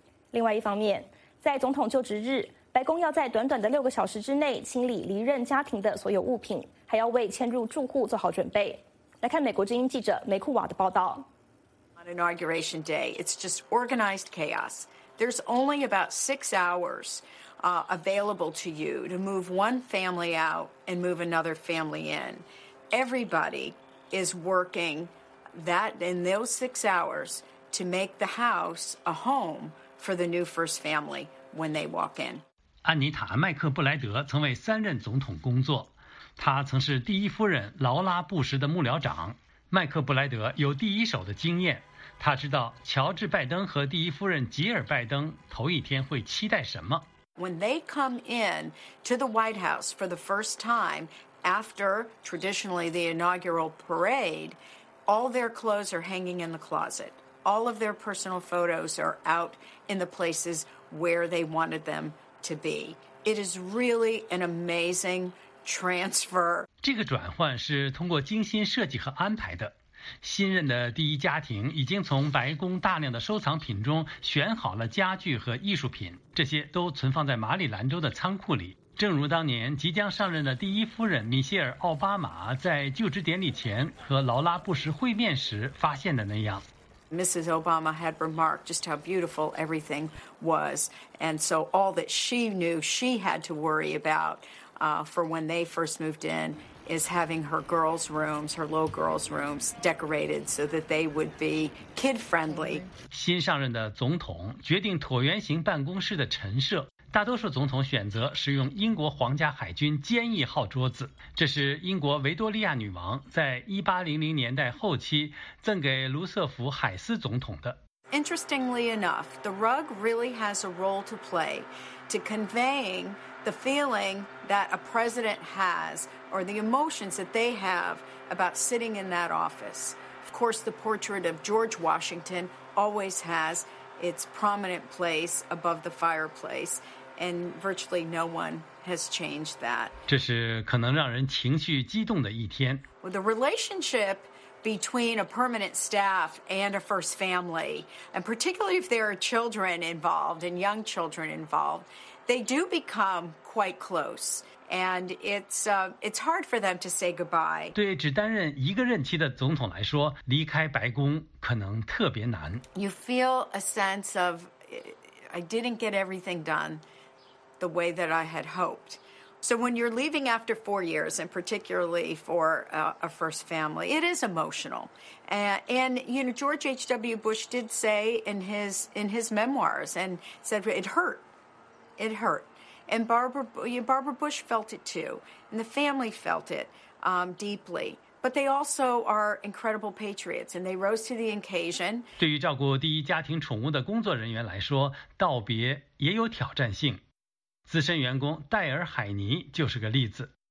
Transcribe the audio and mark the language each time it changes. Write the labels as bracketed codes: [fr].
[zh] 另外一方面，在总统就职日，白宫要在短短的6个小时之内清理离任家庭的所有物品，还要为迁入住户做好准备。来看美国之音记者梅库瓦的报道。 [en] On inauguration day, it's just organized chaos. There's only about 6 hours available to you to move one family out and move another family in. Everybody is working that in those 6 hours to make the house a home for the new first family when they walk in. [zh] 安妮塔·麦克布莱德曾为三任总统工作，他曾是第一夫人劳拉·布什的幕僚长。麦克布莱德有第一手的经验，他知道乔治·拜登和第一夫人吉尔·拜登头一天会期待什么。 [en] When they come in to the White House for the first time after traditionally the inaugural parade, all their clothes are hanging in the closet. All of their personal photos are out in the places where they wanted them to be. It is really an amazing transfer. [zh] 这个转换是通过精心设计和安排的。新任的第一家庭已经从白宫大量的收藏品中选好了家具和艺术品，这些都存放在马里兰州的仓库里。正如当年即将上任的第一夫人米歇尔·奥巴马在就职典礼前和劳拉·布什会面时发现的那样。 [en] Mrs. Obama had remarked just how beautiful everything was, and so all that she knew she had to worry about, for when they first moved in, is having her girls' rooms, her little girls' rooms, decorated so that they would be kid-friendly. [zh] 新上任的总统决定椭圆形办公室的陈设。大多数总统选择使用英国皇家海军坚毅号桌子，这是英国维多利亚女王在1800年代后期赠给卢瑟福·海斯总统的。 [en] Interestingly enough, the rug really has a role to play to conveying the feeling that a president has or the emotions that they have about sitting in that office. Of course, the portrait of George Washington always has its prominent place above the fireplace, and virtually no one has changed that. [zh] 这是可能让人情绪激动的一天。 [en] The relationship between a permanent staff and a first family, and particularly if there are children involved and young children involved, they do become quite close. And it's hard for them to say goodbye. [zh] 对只担任一个任期的总统来说，离开白宫可能特别难。 [en] You feel a sense of, I didn't get everything done the way that I had hoped. So when you're leaving after 4 years, and particularly for a first family, it is emotional. And you know, George H.W. Bush did say in his memoirs and said it hurt. It hurt. And Barbara Bush felt it too, and the family felt it deeply. But they also are incredible patriots, and they rose to the occasion. [zh] 对于照顾第一家庭宠物的工作人员来说，道别也有挑战性。资深员工戴尔·海尼就是个例子。